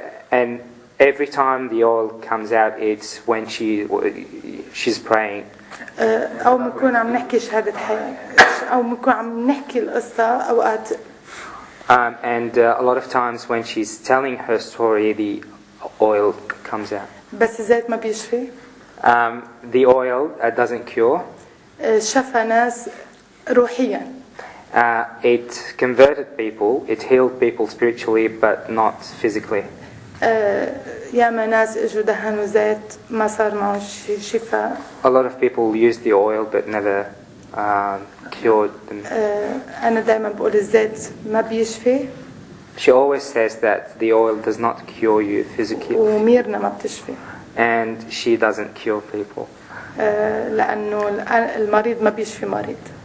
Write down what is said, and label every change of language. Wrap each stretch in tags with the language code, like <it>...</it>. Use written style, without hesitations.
<en>And every time the oil comes out, it's when she's praying.</en> <ar>أو مكون عم نحكي شهادة حياة أو مكون عم نحكي القصة أوقات.</ar> <en>A lot of times when she's telling her story, the oil comes out.</en> <ar>بس الزيت ما بيشفي.</ar> <en>The oil doesn't cure.</en> <ar>شفى ناس روحيا.</ar> <en>It converted people. It healed people spiritually, but not physically.</en> <ar>يا ناس اجوا دهنوا زيت ما صار معهم شي شفاء.</ar> <en>A lot of people used the oil but never cured them.</en> <ar>انا دائما بقول الزيت ما بيشفي.</ar> <en>She always says that the oil does not cure you physically.</en> <ar>وميرنا ما بتشفي.</ar> <en>And she doesn't cure people.</en> <ar>لانه المريض ما بيشفي مريض.</ar>